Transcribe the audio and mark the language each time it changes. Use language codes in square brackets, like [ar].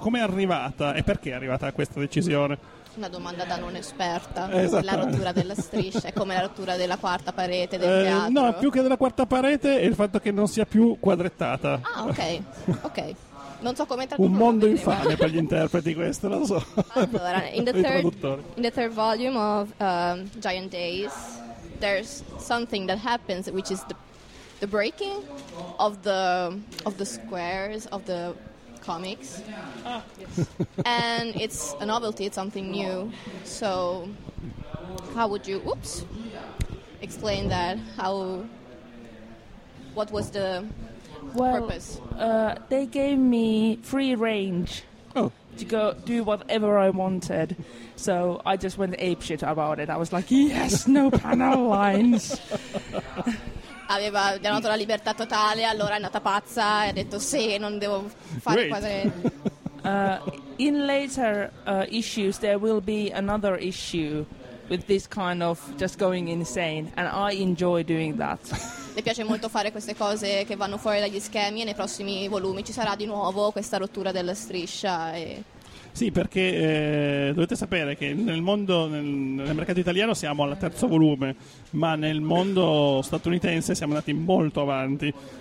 [it] Come è arrivata e perché è arrivata a questa decisione? Una domanda da non esperta. La rottura della striscia è come la rottura della quarta parete del teatro? No, più che della quarta parete è il fatto che non sia più quadrettata. Ah, ok, ok. Non so come un mondo infame per gli interpreti, questo lo so. [en] Allora, in the third volume of Giant Days, there's something that happens, which is the breaking of the squares of the comics. Ah, yes. And it's a novelty, it's something new. So how would you explain that? What was the purpose? They gave me free range to go do whatever I wanted. So I just went apeshit about it. I was like, yes, no panel lines. [it] Aveva dato la libertà totale, allora è andata pazza e ha detto sì, non devo fare quadri. [en] In later issues there will be another issue with this kind of just going insane, and I enjoy doing that. [it] Le piace molto fare queste cose che vanno fuori dagli schemi, e nei prossimi volumi ci sarà di nuovo questa rottura della striscia. E sì, perché dovete sapere che nel mercato italiano siamo al terzo volume, ma nel mondo statunitense siamo andati molto avanti.